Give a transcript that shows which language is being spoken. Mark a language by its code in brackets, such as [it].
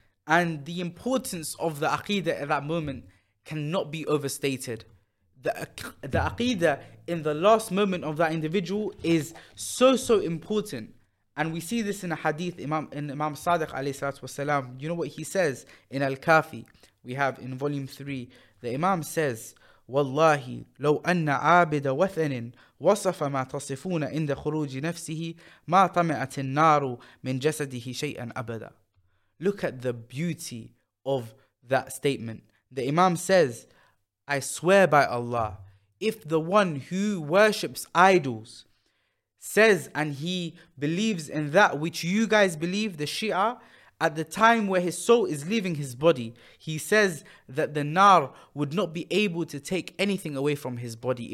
[en] And the importance of the Aqidah at that moment cannot be overstated. The aqidah in the last moment of that individual is so, so important. And we see this in a hadith in Imam Sadiq alayhi salatu wasalam. You know what he says in Al-Kafi? We have in volume 3, the Imam says, Wallahi, [ar] لو أن عابد وثن وصف ما تصفون عند خروج نفسه ما طمعت النار من جسده شيئا أبدا. [en] Look at the beauty of that statement. The Imam says, I swear by Allah, if the one who worships idols says and he believes in that which you guys believe, the Shia, at the time where his soul is leaving his body, he says that the Nar would not be able to take anything away from his body.